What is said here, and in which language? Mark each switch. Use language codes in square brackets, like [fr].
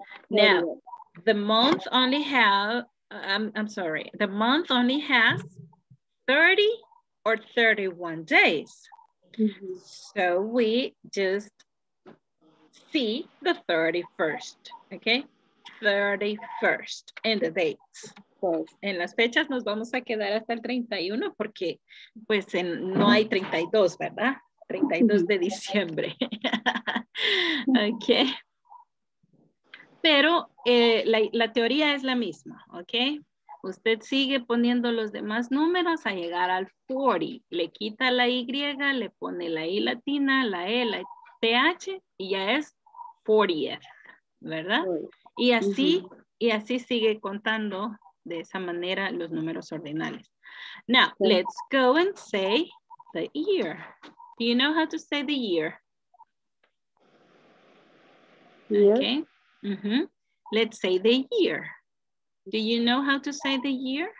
[en] Now, the month only have, I'm sorry, the month only has 30 or 31 days, so we just see the 31st, okay? 31st in the dates. Yes. [es] En las fechas nos vamos a quedar hasta el 31 porque pues en, no hay 32, ¿verdad? 32 de diciembre. Okay. Pero la teoría es la misma, okay? Usted sigue poniendo los demás números a llegar al 40. Le quita la Y, le pone la I latina, la E, la TH y ya es 40, ¿verdad? Y así Y así sigue contando de esa manera los números ordinales. [en] Now, let's go and say the year. Do you know how to say the year? Year. Okay. Mm-hmm. Let's say the year. Do you know how to say the year?